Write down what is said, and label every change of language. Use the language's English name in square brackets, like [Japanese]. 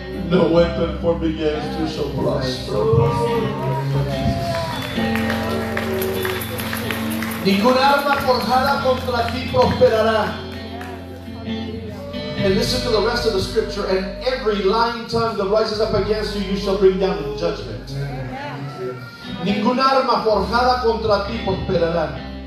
[English] No weapon formed against you shall prosper. [Spanish] Ningún arma forjada contra ti prosperará. [English] And listen to the rest of the scripture. And every lying tongue that rises up against you, you shall bring down in judgment. [Spanish] Ningún arma forjada contra ti prosperará.